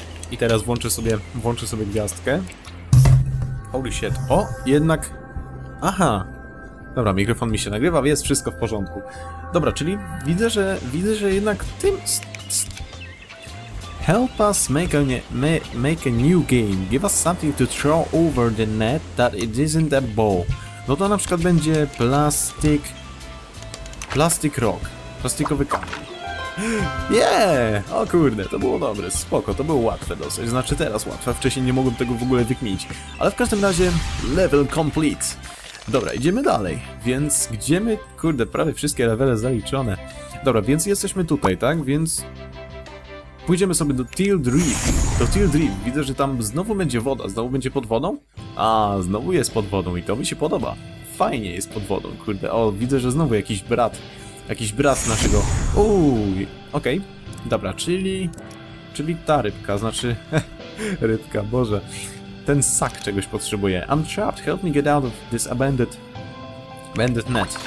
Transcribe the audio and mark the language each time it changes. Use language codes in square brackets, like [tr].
[pl] I teraz włączę sobie gwiazdkę. [en] Holy shit. [pl] O, jednak... Aha. Dobra, mikrofon mi się nagrywa, jest wszystko w porządku. Dobra, czyli widzę, że jednak tym... [en] Help us make a new game. Give us something to throw over the net that it isn't a ball. [pl] No to na przykład będzie plastik... [en] Plastic rock. [pl] Plastikowy kamień. Yeah! O kurde, to było dobre, spoko, to było łatwe dosyć, znaczy teraz łatwe, wcześniej nie mogłem tego w ogóle wykminić. Ale w każdym razie, level complete. Dobra, idziemy dalej, więc gdzie my, kurde, prawie wszystkie levele zaliczone. Dobra, więc jesteśmy tutaj, tak, więc pójdziemy sobie do Tilled Reef. Widzę, że tam znowu będzie woda, znowu będzie pod wodą? A, znowu jest pod wodą i to mi się podoba. Fajnie jest pod wodą, kurde, o, widzę, że znowu jakiś brat naszego... Uuuuj! Okej. Okay. Dobra, czyli ta rybka, znaczy... rybka, Boże. Ten sak czegoś potrzebuje. [en] I'm trapped, help me get out of this abandoned net.